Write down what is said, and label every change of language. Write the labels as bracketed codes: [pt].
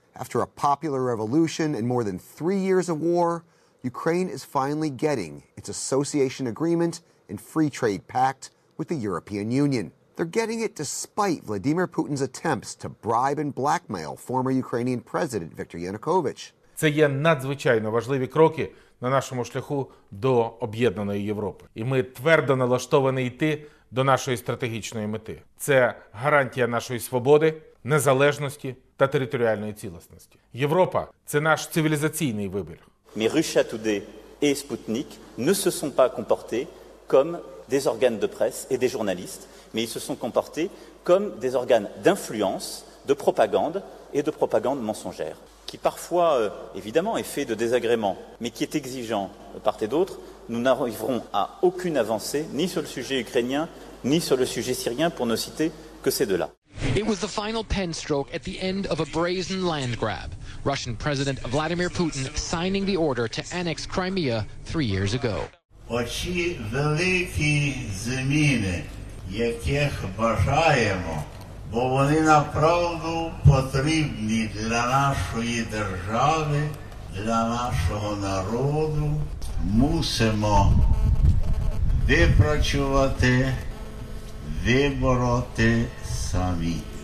[en] After a popular revolution and more than 3 years of war, Ukraine is finally getting its association agreement and free trade pact with the European Union. They're getting it despite Vladimir Putin's attempts to bribe and blackmail former Ukrainian President Viktor Yanukovych. [uk] Це є надзвичайно важливі кроки на нашому шляху до об'єднаної Європи. І ми твердо налаштовані йти до нашої стратегічної мети. Це гарантія нашої свободи, незалежності та територіальної цілісності. Європа – це наш цивілізаційний вибір. [fr] Russia Today et Sputnik ne se sont pas comportés comme des organes de presse et des journalistes, mais ils se sont comportés comme des organes d'influence, de propagande et de propagande mensongère, qui parfois, évidemment, est fait de désagréments, mais qui est exigeant de part et d'autre. Nous n'arriverons à aucune avancée, ni sur le sujet ukrainien, ni sur le sujet syrien, pour ne citer que ces deux-là. [en] It was the final pen stroke at the end of a brazen land grab. Russian President Vladimir Putin signing the order to annex Crimea 3 years ago. [uk] Оці великі зміни, яких бажаємо, бо вони направду потрібні для нашої держави, для нашого народу, мусимо випрацювати, вибороти самі.